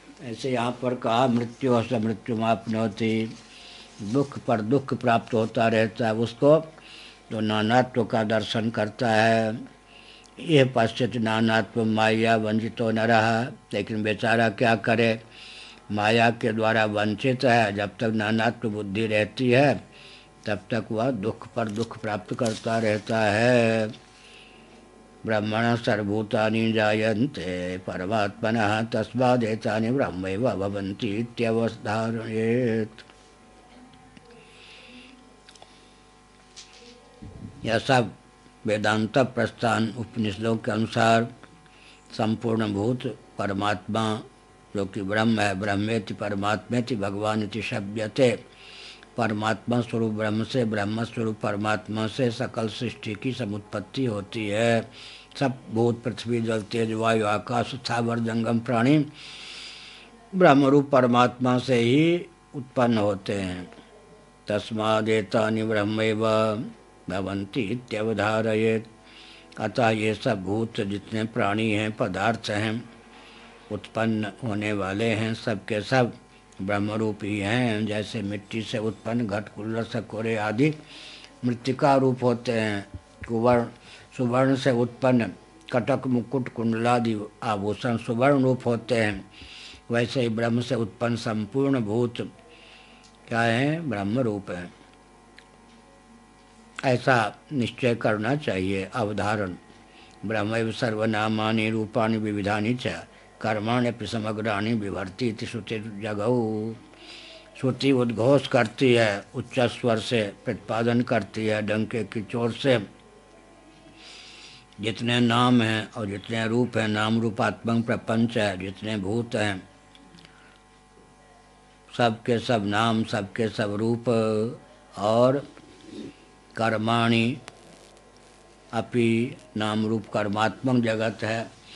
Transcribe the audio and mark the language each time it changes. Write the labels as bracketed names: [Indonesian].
[Hindi] ऐसे यहाँ पर कहा मृत्यु और समृत्यु मापन होती, दुख पर दुख प्राप्त होता रहता है उसको, तो नानात्व का दर्शन करता है। ये पश्चित नानात्व माया वंचितो न रहा, लेकिन बेचारा क्या करे, माया के द्वारा वंचित है। जब तक नानात्व बुद्धि रहती है तब तक वह दुख पर दुख प्राप्त करता रहता है। [Sanskrit] ब्रह्मण सर्वभूतानि जायन्ते परमात्मनः तस्मादेतानि ब्रह्मैव भवन्ति इत्यवधारयेत्। [Hindi] यह सब वेदांत प्रस्थान उपनिषदों के अनुसार संपूर्ण भूत परमात्मा जो कि ब्रह्म है, [Sanskrit] ब्रह्मेति परमात्मेति भगवानेति शब्यते, [Hindi] परमात्मा स्वरूप ब्रह्म से, ब्रह्म स्वरूप परमात्मा से सकल सृष्टि की समुत्पत्ति होती है। सब भूत पृथ्वी जल तेज वायु आकाश स्थावर जंगम प्राणी ब्रह्म रूप परमात्मा से ही उत्पन्न होते हैं। [Sanskrit] तस्मादेतानि ब्रह्मैव भवन्ति इत्यवधारयेत्। [Hindi] अतः ये सब भूत जितने प्राणी हैं, पदार्थ हैं, उत्पन्न होने वाले हैं, सबके सब ब्रह्म रूप ही हैं। जैसे मिट्टी से उत्पन्न घट कुल्लर सकोरे आदि मृतिका रूप होते हैं, कुवर्ण सुवर्ण से उत्पन्न कटक मुकुट कुंडलादि आभूषण सुवर्ण रूप होते हैं, वैसे ही ब्रह्म से उत्पन्न संपूर्ण भूत क्या हैं, ब्रह्म रूप हैं। ऐसा निश्चय करना चाहिए। [Sanskrit] अवधारण ब्रह्मैव सर्वनामानि रूपाणि विविधानि च कर्माण्यपि समग्राणि विवर्ति इति श्रुति जगौ। [Hindi] श्रुति उद्घोष करती है, उच्च स्वर से प्रतिपादन करती है, डंके की चोर से, जितने नाम हैं और जितने रूप हैं, नाम रूपात्मक प्रपंच है, जितने भूत हैं सबके सब नाम, सबके सब रूप और कर्माणि, अपि नाम रूप कर्मात्मक जगत है।